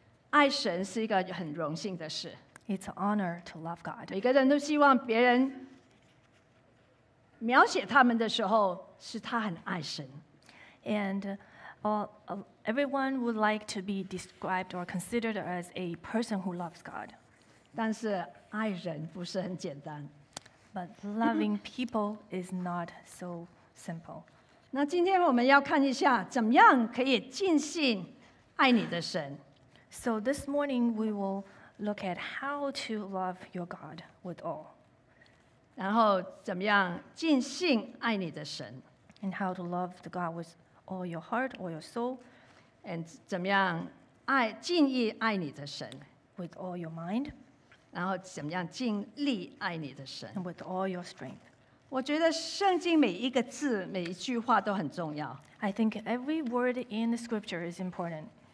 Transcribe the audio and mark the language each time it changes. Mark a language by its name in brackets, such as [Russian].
[Chinese] 爱神是一个很荣幸的事。 [English] It's an honor to love God. [Chinese] 每个人都希望别人描写他们的时候，是他很爱神。 [English] And everyone would like to be described or considered as a person who loves God. [Chinese] 但是爱人不是很简单。 [English] But loving people is not so simple. [Chinese] 那今天我们要看一下，怎么样可以尽心爱你的神。 [English] So this morning we will look at how to love your God with all. [Chinese] 然后怎么样尽性爱你的神。 [English] And how to love the God with all your heart, all your soul. And [Chinese] 怎么样爱尽意爱你的神。 [English] With all your mind. [Chinese] 然后怎么样尽力爱你的神。 [English] And with all your strength. [Chinese] 我觉得圣经每一个字每一句话都很重要。 [English] I think every word in the scripture is important.